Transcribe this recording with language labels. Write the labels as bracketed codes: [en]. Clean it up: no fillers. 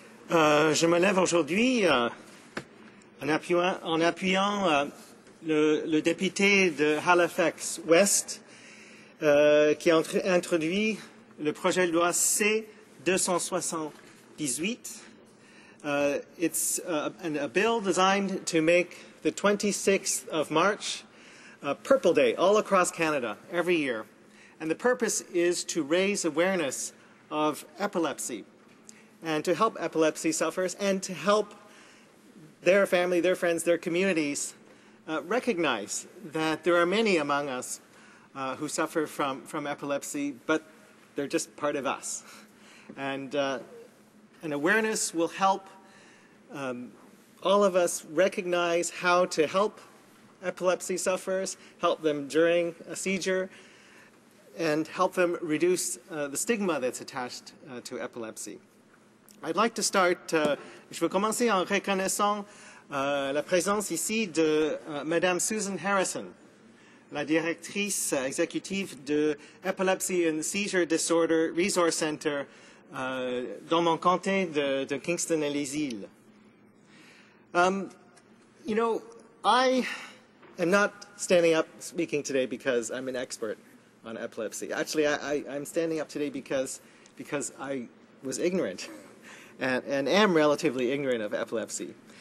[fr] Je me lève aujourd'hui en appuyant le député de Halifax West qui a introduit le projet de loi C-278. [en] It's a bill designed to make the 26th of March Purple Day all across Canada every year. And the purpose is to raise awareness of epilepsy and to help epilepsy sufferers and to help their family, their friends, their communities recognize that there are many among us who suffer from epilepsy, but they're just part of us. And an awareness will help all of us recognize how to help epilepsy sufferers, help them during a seizure, and help them reduce the stigma that's attached to epilepsy. I'd like to start, [fr] je veux commencer en reconnaissant la présence ici de Madame Susan Harrison, la directrice exécutive de Epilepsy and Seizure Disorder Resource Center dans mon comté de Kingston et les Îles. [en] You know, I am not standing up speaking today because I'm an expert on epilepsy. Actually, I'm standing up today because I was ignorant and am relatively ignorant of epilepsy.